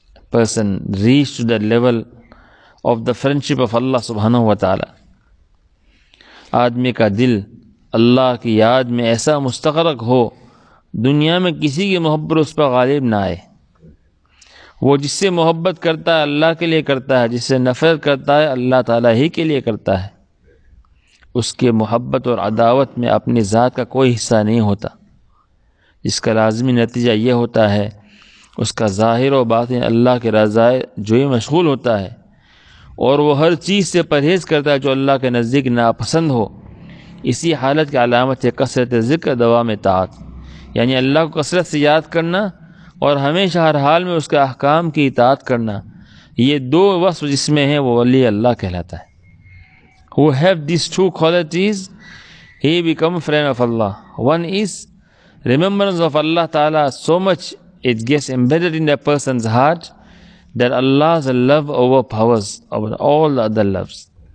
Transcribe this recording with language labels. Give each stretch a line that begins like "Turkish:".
English: Person reached to the level of the friendship of Allah subhanahu wa ta'ala.
Urdu: Aadmi ka dil Allah ki yaad mein aisa mustagharak ho, دنیا میں کسی کی محبت اس پر غالب نہ آئے. وہ جس سے محبت کرتا ہے اللہ کے لیے کرتا ہے، جس سے نفرت کرتا ہے اللہ تعالیٰ ہی کے لیے کرتا ہے. اس کے محبت اور عداوت میں اپنی ذات کا کوئی حصہ نہیں ہوتا، جس کا لازمی نتیجہ یہ ہوتا ہے اس کا ظاہر و باطن اللہ کے رضائے جو ہی مشغول ہوتا ہے، اور وہ ہر چیز سے پرہیز کرتا ہے جو اللہ کے نزدیک ناپسند ہو. اسی حالت کی علامت ہے کثرت ذکر دوام اطاعت، یعنی اللہ کو کثرت سے یاد کرنا اور ہمیشہ ہر حال میں اس کے احکام کی اطاعت کرنا. یہ دو وصف جس میں ہیں وہ ولی اللہ کہلاتا ہے.
English: Who have these two qualities, he become friend of Allah. One is remembrance of Allah Ta'ala, so much it gets embedded in a person's heart that Allah's love overpowers all the other loves.